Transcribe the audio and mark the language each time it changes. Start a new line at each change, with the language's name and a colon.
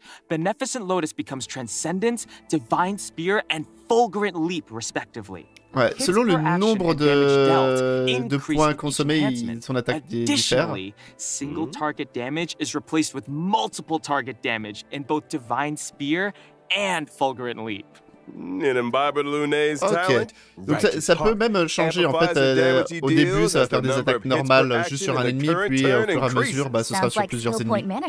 English: Beneficent Lotus becomes transcendent, divine spear and fulgurant leap respectively.
French: Ouais, selon le nombre de points consommés, son attaque diffère.
English: Single target damage is replaced with multiple target damage in both divine spear and fulgurant leap. In Imbibitor Lunae's talent.
French: Donc ça, ça peut même changer en fait. Au début, ça va faire des attaques normales juste sur un ennemi, puis au fur et à mesure, bah, ce sera sur plusieurs ennemis.